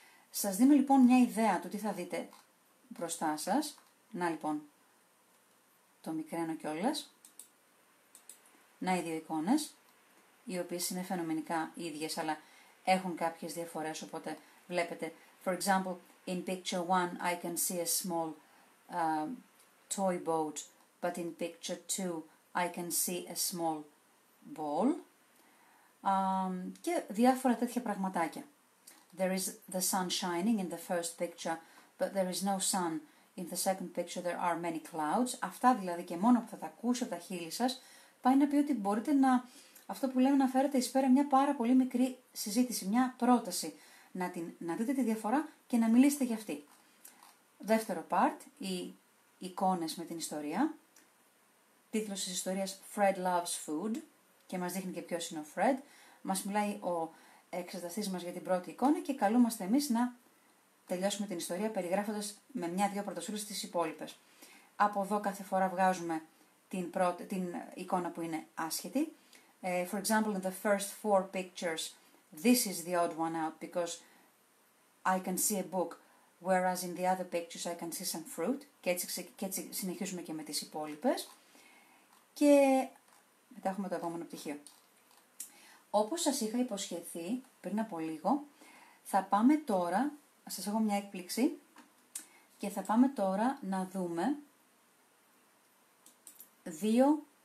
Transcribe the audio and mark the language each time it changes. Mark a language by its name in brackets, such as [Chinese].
[Greek] Σας δίνω λοιπόν μια ιδέα του τι θα δείτε μπροστά σας. Να λοιπόν, το μικραίνω κιόλας. Να οι δύο εικόνες, οι οποίες είναι φαινομενικά ίδιες, αλλά έχουν κάποιες διαφορές, οπότε βλέπετε. [English] For example, in picture 1 I can see a small toy boat, but in picture 2 I can see a small ball. [Greek] Και διάφορα τέτοια πραγματάκια. [English] There is the sun shining in the first picture, but there is no sun in the second picture, there are many clouds. [Greek] Αυτά δηλαδή και μόνο που θα τα ακούσω από τα χείλη σας, πάει να πει ότι μπορείτε να... Αυτό που λέμε να φέρετε εις πέρα μια πάρα πολύ μικρή συζήτηση, μια πρόταση. Να δείτε τη διαφορά και να μιλήσετε για αυτή. Δεύτερο part, οι εικόνες με την ιστορία. Τίτλος της ιστορίας Fred Loves Food και μας δείχνει και ποιος είναι ο Fred. Μας μιλάει ο εξεταστής μας για την πρώτη εικόνα και καλούμαστε εμείς να τελειώσουμε την ιστορία περιγράφοντας με μια-δυο πρωτοσούλες τις υπόλοιπες. Από εδώ κάθε φορά βγάζουμε την εικόνα που είναι άσχετη. [English] For example, in the first four pictures, this is the odd one out because I can see a book, whereas in the other pictures I can see some fruit. [Greek] Και έτσι συνεχίζουμε και με τις υπόλοιπες. Και μετά έχουμε το επόμενο πτυχίο. Όπως σας είχα υποσχεθεί πριν από λίγο, θα πάμε τώρα, σας έχω μια έκπληξη, και θα πάμε τώρα να δούμε δύο